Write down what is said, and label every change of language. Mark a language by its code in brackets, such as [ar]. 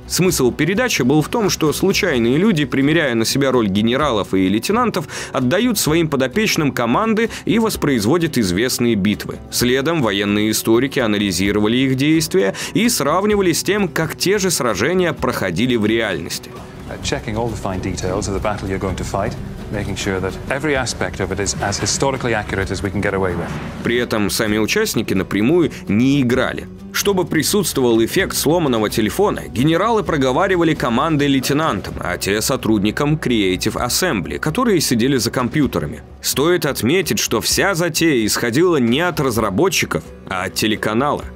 [ru] Смысл передачи был в том, что случайные люди, примеряя на себя роль генералов и лейтенантов, отдают своим подопечным команды и воспроизводят известные битвы. Следом военные историки анализировали их действия и сравнивали с тем, как те же сражения проходили в реальности. [en] Checking all the fine details of the battle you're going to fight, making sure that every aspect of it is as historically accurate as we can get away with. [ru] При этом сами участники напрямую не играли. Чтобы присутствовал эффект сломанного телефона, генералы проговаривали команды лейтенантам, а те сотрудникам Creative Assembly, которые сидели за компьютерами. Стоит отметить, что вся затея исходила не от разработчиков, а от телеканала.